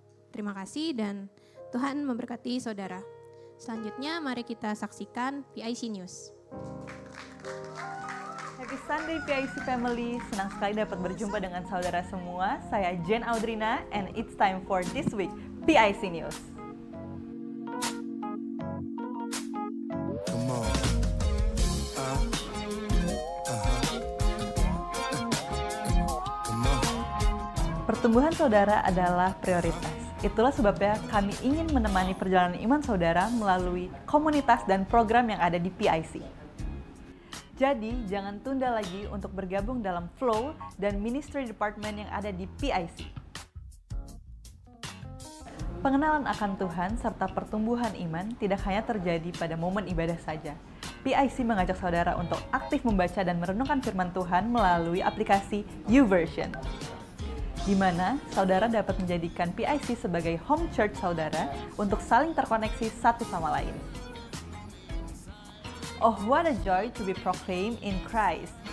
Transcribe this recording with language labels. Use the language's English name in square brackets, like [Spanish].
[Indonesian] Terima kasih dan Tuhan memberkati saudara. Selanjutnya mari kita saksikan PIC News. [English] Happy Sunday PIC Family. [Indonesian] Senang sekali dapat berjumpa dengan saudara semua. Saya [English] Jen Audrina and it's time for this week PIC News. [Indonesian] Pertumbuhan saudara adalah prioritas. Itulah sebabnya kami ingin menemani perjalanan iman saudara melalui komunitas dan program yang ada di PIC. Jadi, jangan tunda lagi untuk bergabung dalam flow dan ministry department yang ada di PIC. Pengenalan akan Tuhan serta pertumbuhan iman tidak hanya terjadi pada momen ibadah saja. PIC mengajak saudara untuk aktif membaca dan merenungkan firman Tuhan melalui aplikasi YouVersion. di mana saudara dapat menjadikan PIC sebagai home church saudara untuk saling terkoneksi satu sama lain. [English] Oh, what a joy to be proclaimed in Christ!